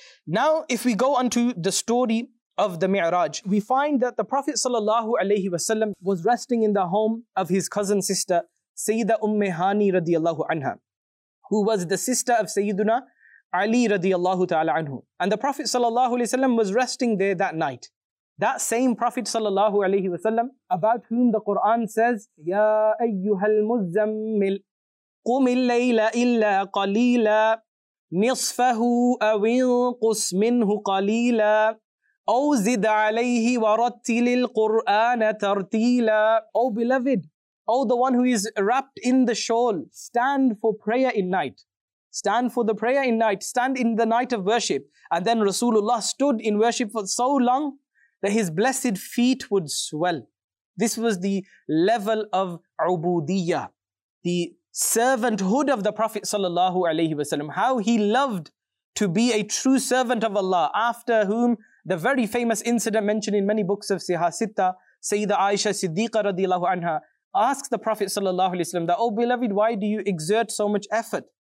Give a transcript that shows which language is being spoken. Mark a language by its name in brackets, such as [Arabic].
[English] Now, if we go on to the story of the Mi'raj, we find that the Prophet sallallahu alayhi wasallam was resting in the home of his cousin sister, Sayyida Umm Hani radiallahu anha, who was the sister of Sayyiduna Ali radiallahu ta'ala anhu. And the Prophet sallallahu alayhi wasallam was resting there that night. That same Prophet sallallahu alayhi wasallam, about whom the Quran says, [Arabic] Ya ayyuhal muzzammil, قم الليل إلا قليلا نصفه أو انقص منه قليلا أو زد عليه ورتل القرآن ترتيلا. [English] O beloved, O the one who is wrapped in the shawl, stand for prayer in night. Stand for the prayer in night, stand in the night of worship. And then Rasulullah stood in worship for so long that his blessed feet would swell. This was the level of ubudiyyah, the servanthood of the Prophet sallallahu alayhi wasallam, how he loved to be a true servant of Allah, after whom the very famous incident mentioned in many books of Siha Sitta, Sayyida Aisha Siddiqa radiallahu anha, asks the Prophet sallallahu alayhi wasallam that, oh beloved, why do you exert so much effort